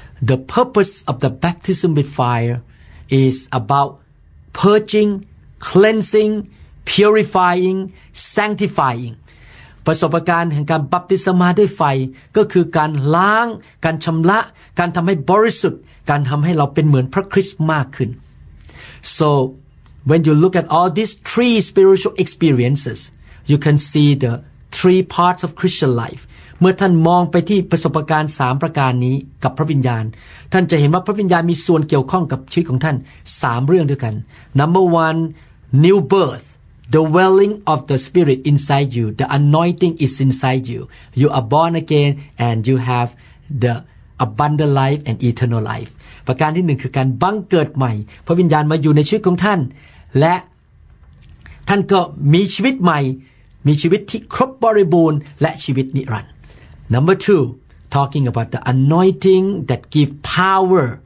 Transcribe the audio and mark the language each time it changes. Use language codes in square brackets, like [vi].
[en] The purpose of the baptism with fire is about purging cleansing purifying sanctifying [th] ประสบการณ์แห่งการบัพติศมาด้วยไฟก็คือการล้างการชำระการทำให้บริสุทธิ์การทำให้เราเป็นเหมือนพระคริสต์มากขึ้น [en] SoWhen you look at all these three spiritual experiences, you can see the three parts of Christian life. [th] เมื่อท่านมองไปที่ประสบการณ์3ประการนี้กับพระวิญญาณท่านจะเห็นว่าพระวิญญาณมีส่วนเกี่ยวข้องกับชีวิตของท่าน3เรื่องด้วยกัน [en] Number 1 new birth, the welling of the spirit inside you, the anointing is inside you. You are born again and you have the abundant life and eternal life. [th] ประการที่1คือการบังเกิดใหม่พระวิญญาณมาอยู่ในชีวิตของท่านและท่านก็มีชีวิตใหม่มีชีวิตที่ครบบริบูรณ์และชีวิตนิรันดร์ [en] Number 2 talking about the anointing that give power